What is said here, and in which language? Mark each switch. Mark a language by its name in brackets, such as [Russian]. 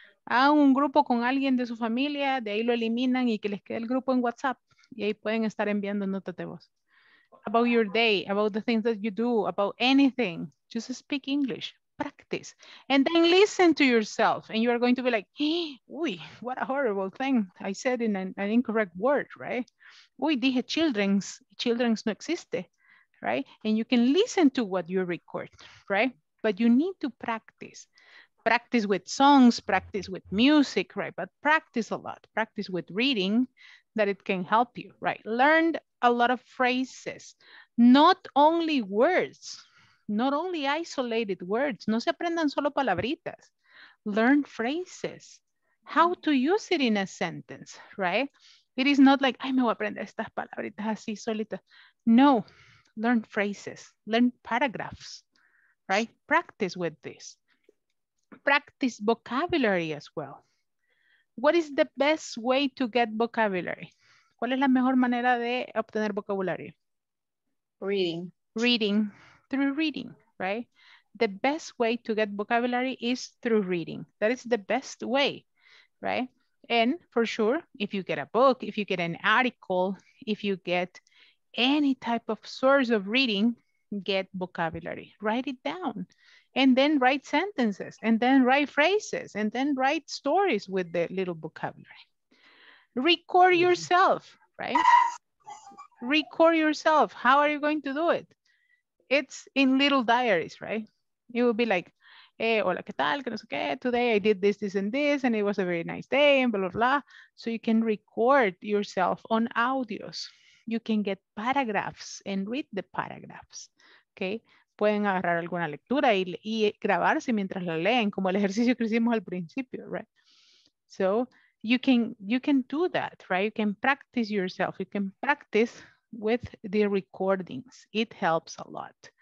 [Spanish] A un grupo con alguien de su familia, de ahí lo eliminan y que les quede el grupo en WhatsApp. Y ahí pueden estar enviando notas de voz. [English] About your day, about the things that you do, about anything. Just speak English. Practice. And then listen to yourself. And you are going to be like, uy, what a horrible thing. I said in an incorrect word, right? [Spanish] Uy, dije [English] children's. Children's no existe, right? And you can listen to what you record, right? But you need to practice. Practice with songs, practice with music, right? But practice a lot. Practice with reading that it can help you, right? Learn a lot of phrases, not only words, not only isolated words. [Spanish] No se aprendan solo palabritas. [English] Learn phrases. How to use it in a sentence, right? It is not like, [Spanish] ay, me voy a aprender estas palabritas así solitas. No, [English] learn phrases, learn paragraphs, right? Practice with this. Practice vocabulary as well. What is the best way to get vocabulary? [Spanish] ¿Cuál es la mejor manera de obtener vocabulario? [English] Reading. Reading, through reading, right? The best way to get vocabulary is through reading. That is the best way, right? And for sure, if you get a book, if you get an article, if you get any type of source of reading, get vocabulary, write it down. And then write sentences, and then write phrases, and then write stories with the little vocabulary. Record yourself, right? Record yourself. How are you going to do it? It's in little diaries, right? It will be like, hey, [Spanish] hola, ¿qué tal? ¿Qué no sé qué? [English] Today I did this, this, and this, and it was a very nice day, and blah, blah, blah. So you can record yourself on audios. You can get paragraphs and read the paragraphs, okay? [Spanish] Pueden agarrar alguna lectura y grabarse mientras la leen, como el ejercicio que hicimos al principio, right? [English] So you can do that, right? You can practice yourself. You can practice with the recordings. It helps a lot.